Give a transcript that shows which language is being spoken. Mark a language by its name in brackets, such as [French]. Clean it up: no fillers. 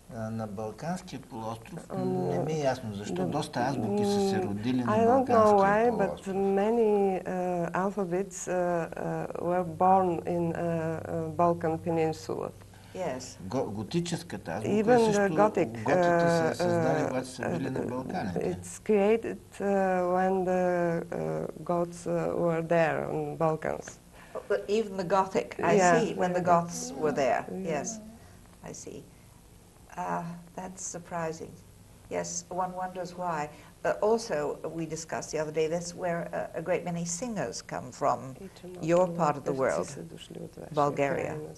[Bulgarian] На балканския полуостров не ми е ясно защо доста азбуки са се родили на балканския полуостров. [English] I don't know why, but many alphabets were born in Balkan Peninsula. Yes. [Bulgarian] Готическата азбука [English] Even [Bulgarian] е също [English] Gothic, [Bulgarian] готите са създали, когато са били на Балканите. [English] It's created when the gods were there on the Balkans. But even the Gothic, I see, when the Goths were there. Yes, I see. That's surprising. Yes, one wonders why. Also, we discussed the other day, that's where a great many singers come from, your part of the world, Bulgaria.